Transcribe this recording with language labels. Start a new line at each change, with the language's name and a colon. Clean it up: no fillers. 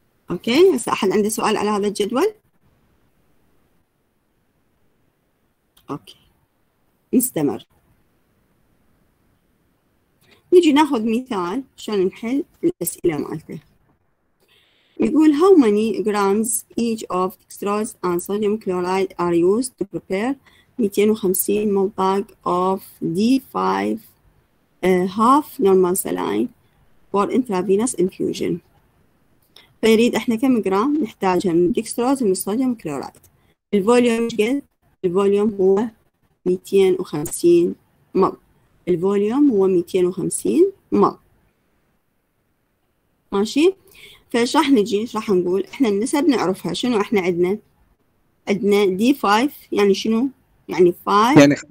Arabic: اوكي، هسه احد عنده سؤال على هذا الجدول؟ اوكي، نستمر. نجي ناخذ مثال عشان نحل الأسئلة مالته.
English: يقول how many grams each of dextrose and sodium chloride are used to prepare 250 ml bag of D5 half normal saline for intravenous infusion.
Arabic: فنريد احنا كم جرام نحتاجها من الدكستروز ومن الصوديوم كلورايد. الفوليوم ايش قد؟ الفوليوم هو 250 مل. الفوليوم هو 250 مل، ماشي. فايش راح نجي، ايش راح نقول؟ احنا النسب نعرفها، شنو احنا عندنا؟ عندنا دي 5 يعني شنو؟ يعني 5